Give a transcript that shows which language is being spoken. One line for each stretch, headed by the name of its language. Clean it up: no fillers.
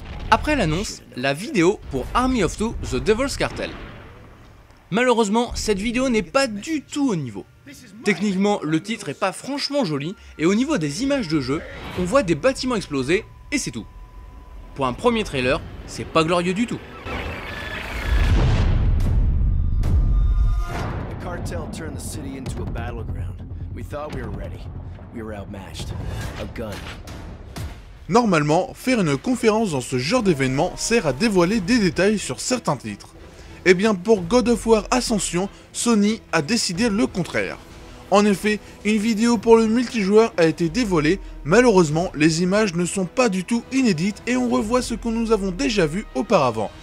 French: Après l'annonce, la vidéo pour Army of Two, The Devil's Cartel. Malheureusement, cette vidéo n'est pas du tout au niveau. Techniquement, le titre est pas franchement joli et au niveau des images de jeu, on voit des bâtiments exploser et c'est tout. Pour un premier trailer, c'est pas glorieux du tout.
English: The cartel turned the city into a battleground. We thought we were ready. We were outmatched. A gun.
French: Normalement, faire une conférence dans ce genre d'événement sert à dévoiler des détails sur certains titres. Et bien pour God of War Ascension, Sony a décidé le contraire. En effet, une vidéo pour le multijoueur a été dévoilée, malheureusement les images ne sont pas du tout inédites et on revoit ce que nous avons déjà vu auparavant.